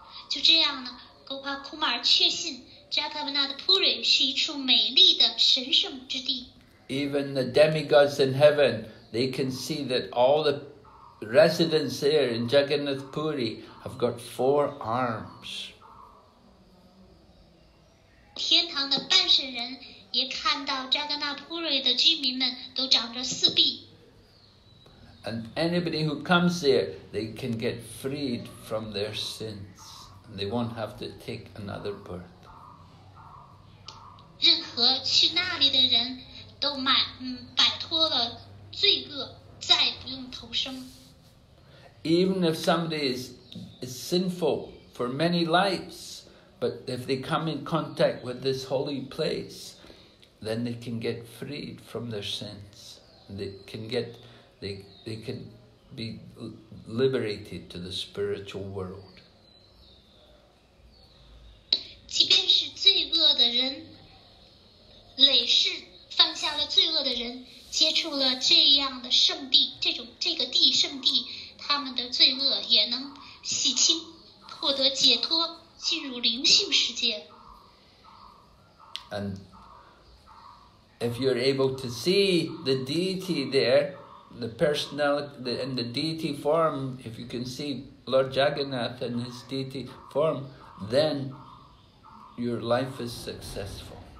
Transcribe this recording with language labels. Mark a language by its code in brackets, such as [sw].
[zh] 就这样呢 Gopal Kumar 确信 Jagannath Puri 是一处美丽的神圣之地。 [en] Even the demigods in heaven, they can see that all the residents there in Jagannath Puri have got four arms. [zh] 天堂的半神人也看到扎格纳普瑞的居民们都长着四臂。 [en] And anybody who comes there, they can get freed from their sins. And they won't have to take another birth. [zh] 任何去那里的人都摆脱了罪恶，再不用投生。 [en] Even if somebody is sinful for many lives,But if they come in contact with this holy place, then they can get freed from their sins. They can be liberated to the spiritual world. [zh] 即便是罪恶的人，累世犯下了罪恶的人，接触了这样的圣地，圣地，他们的罪恶也能洗清，获得解脱。进入灵性世界。 [en] And if you're able to see the deity there, the personality in the deity form, if you can see Lord Jagannath in his deity form, then your life is successful.